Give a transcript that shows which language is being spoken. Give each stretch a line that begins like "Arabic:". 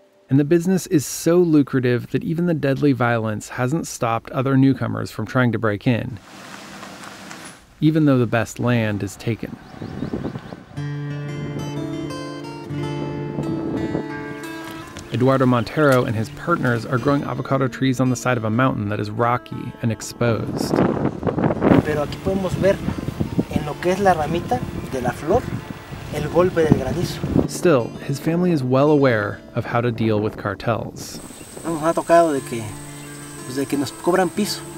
English: And the business is so lucrative that even the deadly violence hasn't stopped other newcomers from trying to break in. Even though the best land is taken. Eduardo Montero and his partners are growing avocado trees on the side of a mountain that is rocky and exposed.
Spanish: Pero aquí podemos ver en lo que es la ramita de la flor, el golpe del granizo.
English: Still, his family is well aware of how to deal with cartels.
Spanish: Nos ha tocado de que, pues de que nos cobran piso.